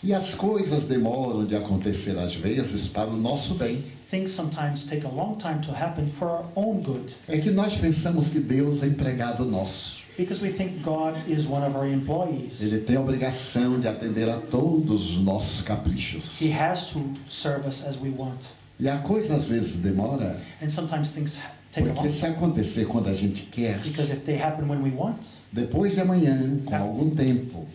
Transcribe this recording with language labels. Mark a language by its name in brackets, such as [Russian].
[Portuguese] E as coisas demoram de acontecer às vezes para o nosso bem. [English] Things sometimes take a long time to happen for our own good. [Portuguese] É que nós pensamos que Deus é empregado nosso. [English] Because we think God is one of our employees. [Portuguese] Ele tem a obrigação de atender a todos os nossos caprichos. [English] He has to serve us as we want. [Portuguese] E a coisa às vezes demora. [English] And sometimes things [Portuguese] porque se acontecer quando a gente quer, [English] because if they happen when we want, [Portuguese] depois de amanhã, com algum tempo,